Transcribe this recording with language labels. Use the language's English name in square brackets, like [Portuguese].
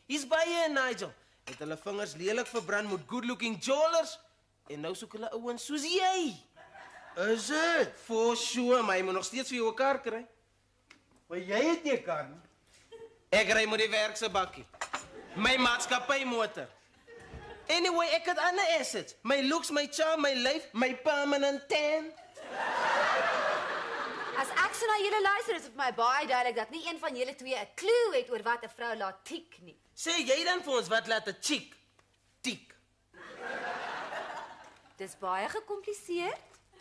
[Afrikaans] Hier's baie in Nigel. Het hulle vingers lelik verbrand met good looking jewelers en nou soek hulle ouens soos jy. Is dit? [English] For sure, [Afrikaans] maar jy moet nog steeds vir jou 'n kar kry. Maar jy het nie 'n kar nie. Ek ry met die werk se bakkie. My maatskappy motor. Anyway, ek het ander assets. [English] My looks, my charm, my life, my permanent tan. [Afrikaans] As ek so na julle luister, is dit vir my baie duidelik dat nie een van julle twee 'n clue het oor wat 'n vrou laat tik nie. Sê jy dan vir ons wat laat 'n chick tik? Dis baie gekompliseerd.